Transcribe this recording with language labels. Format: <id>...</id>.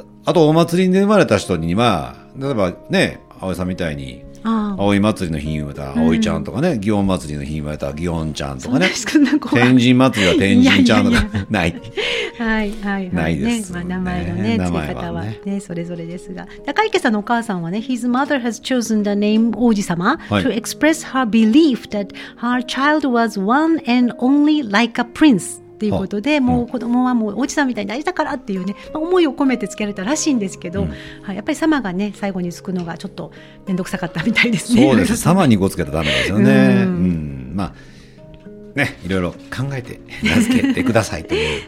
<ja>あとお祭りで生まれた人には、例えばね、葵さんみたいに、葵祭りの日に生まれた葵ちゃんとかね、祇園、うん、祭りの日に生まれた祇園ちゃんとかね、天神祭りは天神ちゃんとかない。はいはいはい。ね、まあ、名前のね、付け方は ね、それぞれですが。高池さんのお母さんはね、</ja> <en>His mother has chosen the name 王子様、</en> <ja>はい、</ja> <en>to express her belief that her child was one and only like a prince.</en> <ja>ということで、もう子供はもうおじさんみたいに大事だからっていうね、まあ、思いを込めてつけられたらしいんですけど、うん、はい、やっぱり様がね最後につくのがちょっと面倒くさかったみたいですね。そうです、様にごつけたらダメですよね。うん、うん、まあね、いろいろ考えて名付けてくださいという、</ja>